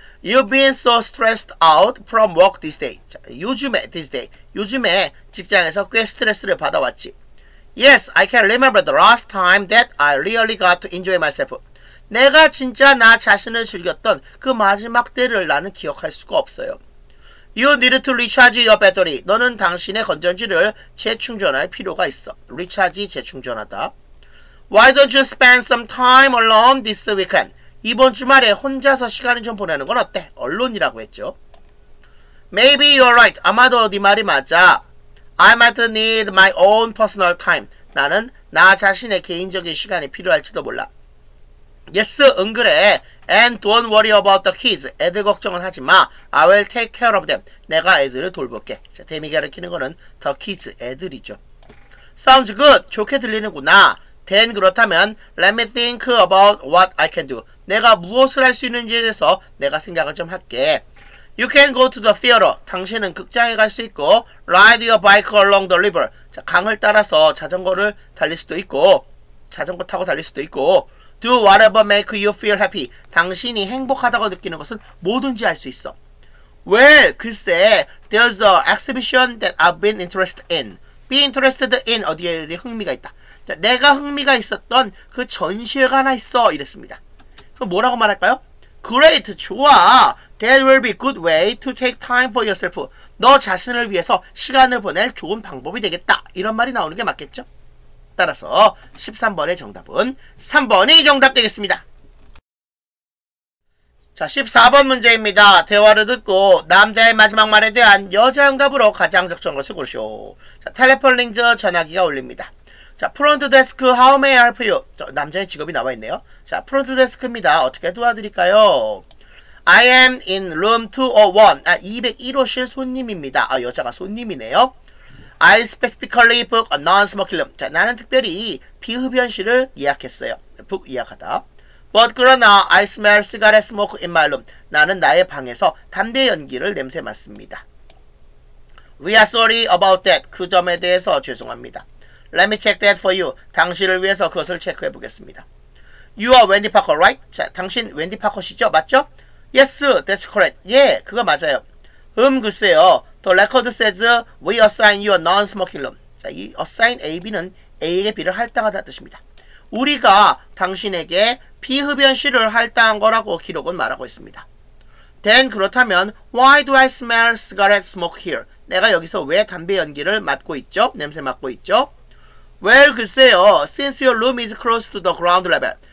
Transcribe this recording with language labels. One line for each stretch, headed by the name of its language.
English: You've been so stressed out from work this day.
Korean: 자, 요즘에,
English: this day.
Korean: 요즘에 직장에서 꽤 스트레스를 받아왔지.
English: Yes, I can remember the last time that I really got to enjoy myself.
Korean: 내가 진짜 나 자신을 즐겼던 그 마지막 때를 나는 기억할 수가 없어요.
English: You need to recharge your battery.
Korean: 너는 당신의 건전지를 재충전할 필요가 있어. Recharge, 재충전하다.
English: Why don't you spend some time alone this weekend?
Korean: 이번 주말에 혼자서 시간을 좀 보내는 건 어때? 언론이라고 했죠.
English: Maybe you're right.
Korean: 아마도 네 말이 맞아.
English: I might need my own personal time.
Korean: 나는 나 자신의 개인적인 시간이 필요할지도 몰라.
English: Yes,
Korean: 응, 그래.
English: And don't worry about the kids.
Korean: 애들 걱정은 하지 마.
English: I will take care of them.
Korean: 내가 애들을 돌볼게. 자, 데미가를 키는 거는
English: the kids,
Korean: 애들이죠.
English: Sounds good.
Korean: 좋게 들리는구나.
English: Then
Korean: 그렇다면
English: let me think about what I can do.
Korean: 내가 무엇을 할 수 있는지에 대해서 내가 생각을 좀 할게.
English: You can go to the theater.
Korean: 당신은 극장에 갈 수 있고
English: ride your bike along the river.
Korean: 자, 강을 따라서 자전거를 달릴 수도 있고 자전거 타고 달릴 수도 있고
English: do whatever make you feel happy.
Korean: 당신이 행복하다고 느끼는 것은 뭐든지 할 수 있어.
English: Well,
Korean: 글쎄
English: there's an exhibition that I've been interested in. Be interested in
Korean: 어디에 어디에 흥미가 있다. 자, 내가 흥미가 있었던 그 전시회가 하나 있어. 이랬습니다. 그럼 뭐라고 말할까요? Great, 좋아.
English: That will be a good way to take time for yourself.
Korean: 너 자신을 위해서 시간을 보낼 좋은 방법이 되겠다. 이런 말이 나오는 게 맞겠죠? 따라서 13번의 정답은 3번이 정답 되겠습니다. 자, 14번 문제입니다. 대화를 듣고 남자의 마지막 말에 대한 여자 응답으로 가장 적절한 것을 고르시오. 자, 텔레폰 링즈 전화기가 울립니다. 자, 프론트 데스크,
English: how may I help you?
Korean: 저, 남자의 직업이 나와 있네요. 자, 프론트 데스크입니다. 어떻게 도와드릴까요?
English: I am in room 201.
Korean: 아, 201호실 손님입니다. 아, 여자가 손님이네요.
English: I specifically book a non-smoking room.
Korean: 자, 나는 특별히 비흡연실을 예약했어요. book 예약하다.
English: But
Korean: 그러나
English: I smell cigarette smoke in my room.
Korean: 나는 나의 방에서 담배 연기를 냄새 맡습니다.
English: We are sorry about that.
Korean: 그 점에 대해서 죄송합니다.
English: Let me check that for you.
Korean: 당신을 위해서 그것을 체크해 보겠습니다.
English: You are Wendy Parker, right?
Korean: 자, 당신 Wendy Parker시죠? 맞죠?
English: Yes, that's correct.
Korean: 예, 그거 맞아요. 글쎄요.
English: The record says we assign you a non-smoking room.
Korean: 자, 이 assign AB는 A에게 B를 할당하다 뜻입니다. 우리가 당신에게 비흡연실을 할당한 거라고 기록은 말하고 있습니다.
English: Then
Korean: 그렇다면
English: why do I smell cigarette smoke here?
Korean: 내가 여기서 왜 담배 연기를 맡고 있죠? 냄새 맡고 있죠? Well, 글쎄요.
English: Since your room is close to the ground level.